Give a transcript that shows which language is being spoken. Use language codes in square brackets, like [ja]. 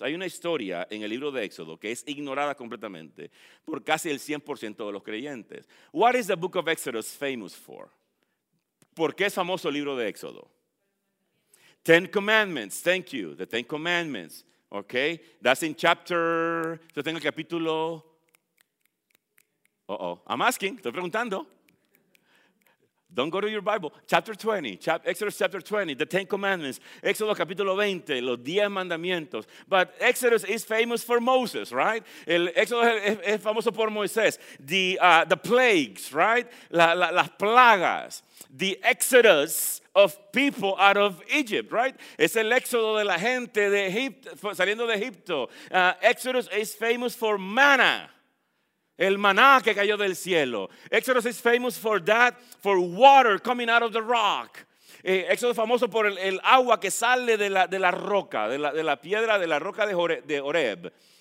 [es] Hay una historia en el libro de Éxodo que es ignorada completamente por casi el 100% de los creyentes. [en] What is the book of Exodus famous for? [es] ¿Por qué es famoso el libro de Éxodo? [en] Ten Commandments, thank you. The Ten Commandments, okay? That's in chapter, [es] yo tengo el capítulo. [en] I'm asking, [es] estoy preguntando. [en] Don't go to your Bible. Chapter 20, Exodus chapter 20, the Ten Commandments. [es] Éxodo capítulo 20, los 10 mandamientos. [en] But Exodus is famous for Moses, right? [es] El Éxodo es famoso por Moisés. [en] The plagues, right? [es] Las plagas. [en] The Exodus of people out of Egypt, right? [es] Es el Éxodo de la gente de Egipto, saliendo de Egipto. [en] Exodus is famous for manna. [es] El maná que cayó del cielo. [en] Exodus is famous for that, for water coming out of the rock. [es] Éxodo es famoso por el agua que sale de la roca, de la piedra, de la roca de Horeb.